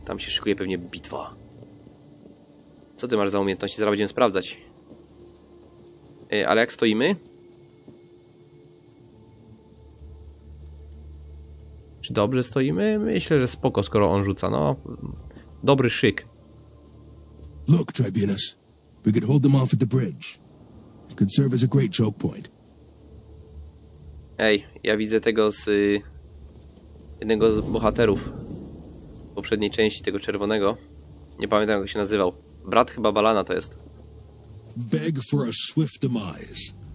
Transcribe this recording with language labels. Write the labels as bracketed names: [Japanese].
[Polish] Tam się szykuje pewnie bitwa. Co ty masz za umiejętności? Zaraz będziemy sprawdzać. Ale jak stoimy? Czy dobrze stoimy? Myślę, że spoko, skoro on rzuca. No, dobry szyk. [English] Look, Tribunus. We could hold them off at the bridge. It could serve as a great choke point. [Polish] Ej, ja widzę tego z... jednego z bohaterów poprzedniej części, tego czerwonego. Nie pamiętam, jak go się nazywał. Brat chyba Balana to jest. [English] Beg for a swift demise.